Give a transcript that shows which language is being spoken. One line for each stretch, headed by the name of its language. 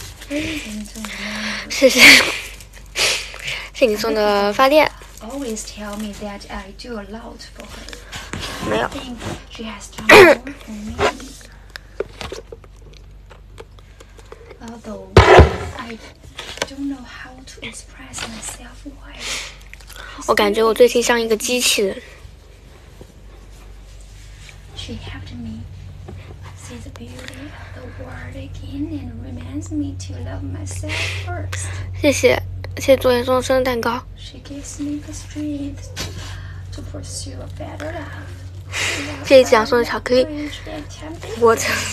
English: Thank you for the fire. Always tell me that I do a lot for her. No. I think she has done more for me. Although I don't know how to express myself why.
Chinese: 我感觉我最近像一个机器人。
English: She helped me see the beauty of the world again and reminds me to love myself first.
Chinese: 谢谢昨天送的生日蛋糕。
English: She gives me the strength to pursue a better life.
Chinese: 这一集要送的巧克力，我操！